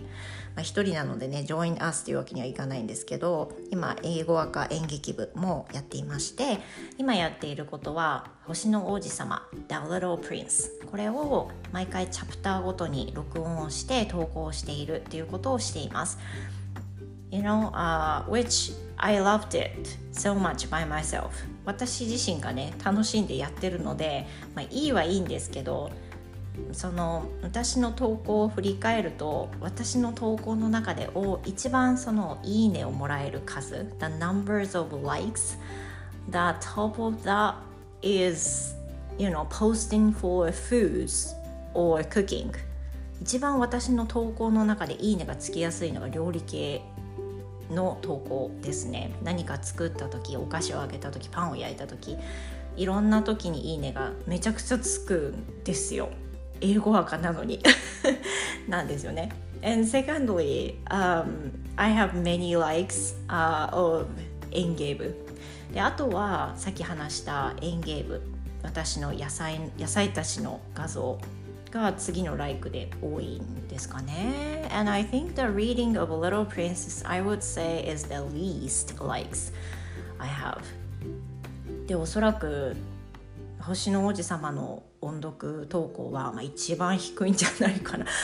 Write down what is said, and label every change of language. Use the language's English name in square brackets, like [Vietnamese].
[Japanese] まあ、一人なのでね、 [English] join us [Japanese] というわけにはいかないんですけど、今英語赤演劇部もやっていまして、今やっていることは星の王子様 The Little Prince、 これを毎回チャプターごとに録音をして投稿しているということをしています。 [English] You know, which I loved it so much by myself. [Japanese] 私自身がね楽しんでやってるので、まあ、いいはいいんですけど、その私の投稿を振り返ると、私の投稿の中で一番そのいいねをもらえる数、 [English] The numbers of likes, the top of theis, you know, posting for foods or cooking. [Japanese] 一番私の投稿の中でいいねがつきやすいのが料理系の投稿ですね。何か作った時、お菓子をあげた時、パンを焼いた時、いろんな時にいいねがめちゃくちゃつくんですよ。英語赤なのになんですよね。 [English] And secondly, I have many likes of 園芸部。 [Japanese] で、あとはさっき話した園芸部、私の野菜たちの画像が次のライクで多いんですかね。 [English] And I think the reading of Little Princess, I would say, is the least likes I have. [Japanese] で、おそらく星の王子様の音読投稿は、まあ、一番低いんじゃないかな。